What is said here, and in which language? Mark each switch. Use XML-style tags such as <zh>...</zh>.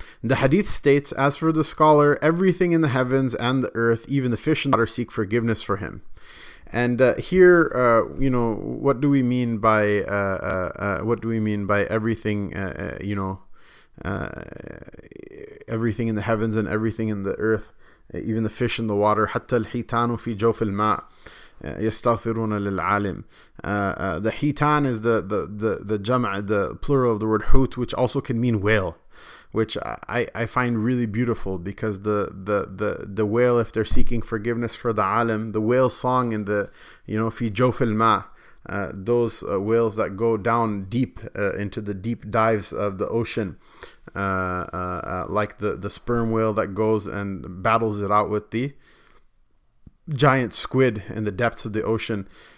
<en>The hadith states, "As for the scholar, everything in the heavens and the earth, even the fish and the water, seek forgiveness for him." And here, you know, what do we mean by everything? You know, everything in the heavens and everything in the earth, even the fish in the water.</en> <ar>حتى الحيتان في جوف الماء يستغفرون للعالم.</ar> <en>The حيتان is the جمع, the plural of the word حوت, which also can mean whale. Which I find really beautiful, because the whale, if they're seeking forgiveness for the alam, the whale song in the, you know,</en> <ar>fi jawf al-ma,</ar> <en>those whales that go down deep into the deep dives of the ocean, like the sperm whale that goes and battles it out with the giant squid in the depths of the ocean.</en>